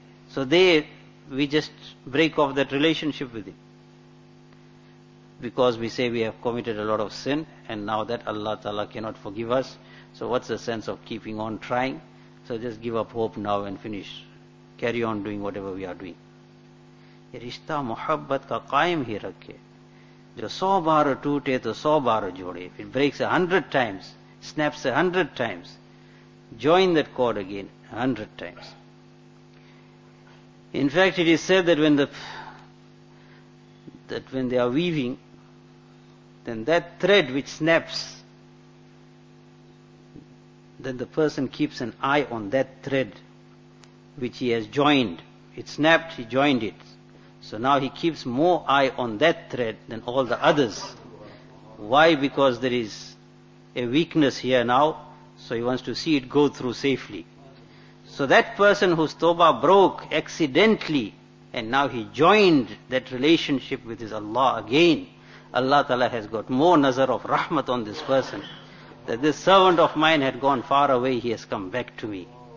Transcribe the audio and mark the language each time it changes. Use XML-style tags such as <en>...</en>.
<en>So there, we just break off that relationship with Him. Because we say we have committed a lot of sin, and now that Allah Ta'ala cannot forgive us, so what's the sense of keeping on trying? So just give up hope now and finish. Carry on doing whatever we are doing.</en> <ur>रिश्ता मोहब्बत का कायम ही रखे जो सौ बार टूटे तो सौ बार जोड़े</ur> <en>It breaks 100 times snaps 100 times join that cord again 100 times in fact it is said that when they are weaving then that thread which snaps then the person keeps an eye on that thread which he has joined it snapped he joined it So now he keeps more eye on that thread than all the others. Why? Because there is a weakness here now, so he wants to see it go through safely. So that person whose tawbah broke accidentally, and now he joined that relationship with his Allah again, Allah Ta'ala has got more nazar of rahmat on this person, that this servant of mine had gone far away, he has come back to me.</en>